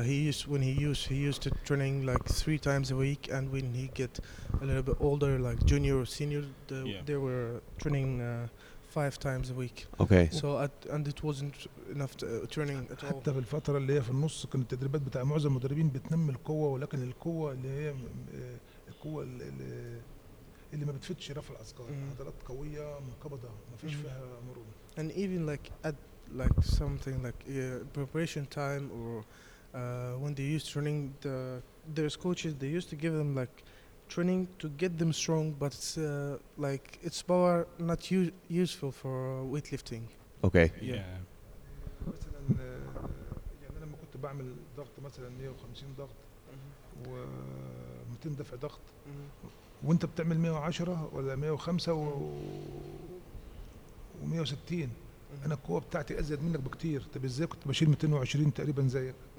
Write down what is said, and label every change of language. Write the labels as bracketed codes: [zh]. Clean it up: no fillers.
[en] He used to training like three times a week and when he get a little bit older like junior or senior they were training five times a week. Okay. So and it wasn't enough training at all. [ar] حتى في الفترة اللي هي في النص كانت التدريبات بتاع معظم المدربين بتنمي القوة ولكن القوة اللي هي القوة اللي ما بتفيدش رفع الأثقال. عضلات قوية منقبضة ما فيش فيها مرونة. [en] And even like at like something like preparation time or when they used training, their coaches they used to give them like training to get them strong, but like it's power not useful for weightlifting. Okay. Yeah. [ar] مثلا يعني انا لما كنت بعمل ضغط مثلا 150 ضغط و 200 دفع ضغط وانت بتعمل 110 ولا 105 و 160 انا القوه بتاعتي ازيد منك بكتير طب ازاي كنت بشيل 220 تقريبا زيك.